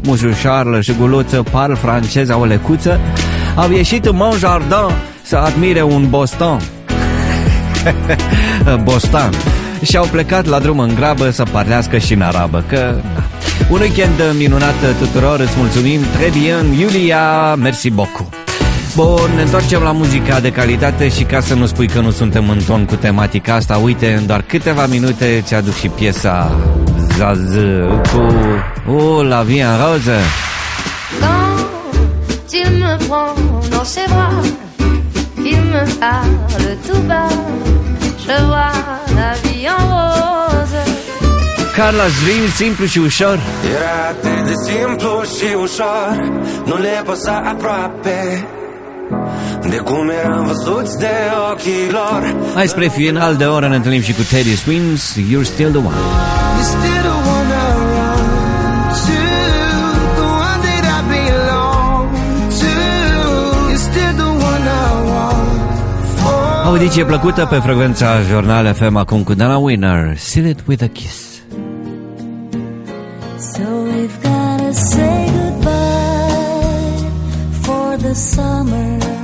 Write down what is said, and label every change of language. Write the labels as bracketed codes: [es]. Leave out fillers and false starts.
[ro] Muzul Charles și guluță, parl franceza o lecuță. Au ieșit în Mont Jardin să admire un boston. Boston. Și au plecat la drum în grabă să parlească și în arabă. Că un weekend minunat tuturor, îți mulțumim. [fr] Très bien, Iulia, merci beaucoup. [ro] Bun, ne întoarcem la muzica de calitate și ca să nu spui că nu suntem în ton cu tematica asta, uite, în doar câteva minute ți-aduc și piesa Zaz cu La Vie en Rose. [fr] Quand il me prend dans ses bras, il me parle tout bas, je vois la vie en rose. [ro] Carlos Rin, simplu și ușor. Era atât de simplu și ușor, nu le păsa aproape de cum eram văzuți de ochii lor. Hai spre final de oră ne întâlnim și cu Teddy Swims, You're Still the One. [en] You're still the one I run to, the one that I belong to. You're still the one I want. [ro] Audiție plăcută pe frecvența Jurnal FM, acum cu Dana Winner, Seal It With a Kiss. [en] So we've gotta say goodbye for the summer.